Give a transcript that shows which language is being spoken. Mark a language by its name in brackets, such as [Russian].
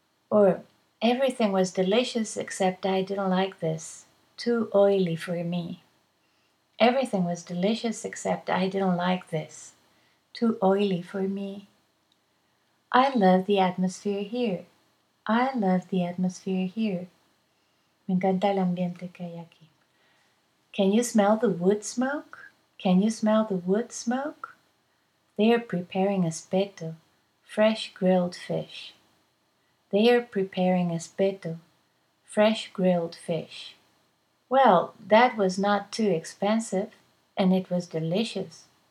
[English] Or everything was delicious except I didn't like this. Too oily for me. Everything was delicious except I didn't like this. Too oily for me. I love the atmosphere here. I love the atmosphere here. [Spanish] Me encanta el ambiente que hay aquí. [English] Can you smell the wood smoke? Can you smell the wood smoke? They are preparing aspetto, fresh grilled fish. They are preparing aspetto, fresh grilled fish. Well, that was not too expensive, and it was delicious.